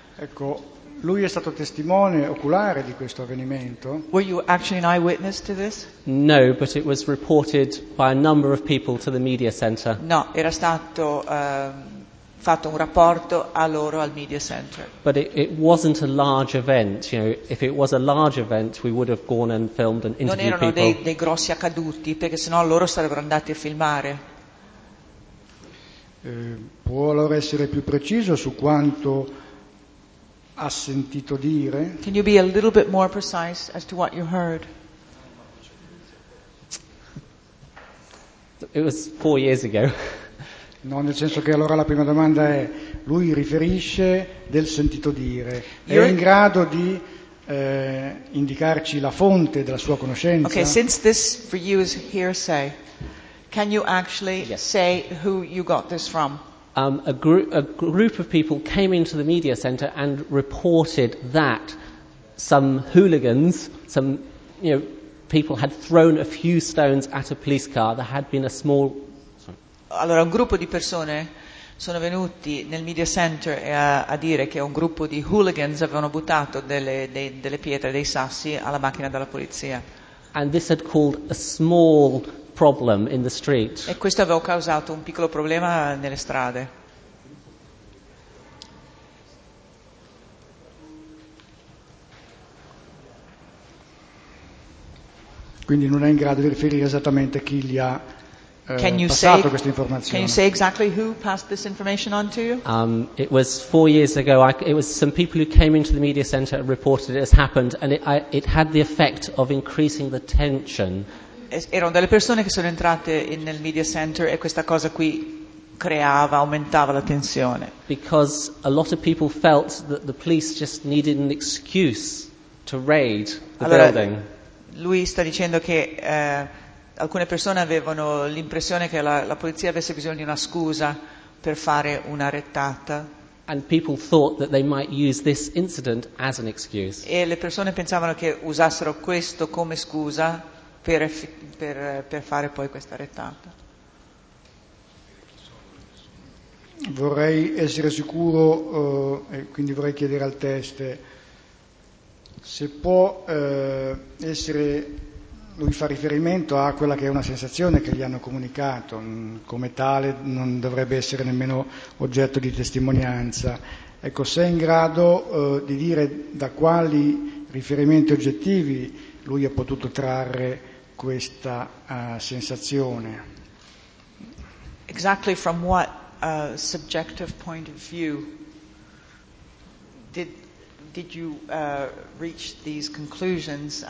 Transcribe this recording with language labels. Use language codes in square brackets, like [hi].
[it] Ecco, lui è stato testimone oculare di questo avvenimento. [en] Were you actually an eyewitness to this? No, but it was reported by a number of people to the Media Center. [it] No, era stato fatto un rapporto a loro al Media Center. [en] But it wasn't a large event, you know. If it was a large event, we would have gone and filmed and interviewed people. [it] Non erano dei grossi accaduti, perché sennò loro sarebbero andati a filmare. Può allora essere più preciso su quanto ha sentito dire? [en] Can you be a little bit more precise as to what you heard? It was 4 years ago. [it] No, nel senso che allora la prima domanda è: lui riferisce del sentito dire. È in grado di indicarci la fonte della sua conoscenza. [en] Okay, since this for you is hearsay, can you actually say who you got this from? A group of people came into the media center and reported that some hooligans, some people had thrown a few stones at a police car. There had been a small. [it] Allora, un gruppo di persone sono venuti nel media center a dire che un gruppo di hooligans avevano buttato delle pietre, dei sassi alla macchina della polizia. [en] And this had called a small problem in the street. [it] E questo aveva causato un piccolo problema nelle strade. Quindi non è in grado di riferire esattamente chi gli ha passato questa informazione. [en] Can you say exactly who passed this information on to you? It was 4 years ago. It was some people who came into the media center and reported it has happened, and it had the effect of increasing the tension. [it] Erano delle persone che sono entrate nel media center e questa cosa qui creava, aumentava la tensione. [en] Because a lot of people felt that the police just needed an excuse to raid the building. [it] Lui sta dicendo che alcune persone avevano l'impressione che la polizia avesse bisogno di una scusa per fare una rettata. [en] And people thought that they might use this incident as an excuse. [it] E le persone pensavano che usassero questo come scusa per fare poi questa rettata. Vorrei essere sicuro, quindi vorrei chiedere al test se può essere, lui fa riferimento a quella che è una sensazione che gli hanno comunicato, come tale non dovrebbe essere nemmeno oggetto di testimonianza. Ecco, se è in grado di dire da quali riferimenti oggettivi lui ha potuto trarre questa sensazione. [en] Exactly from what subjective point of view did you reach these conclusions?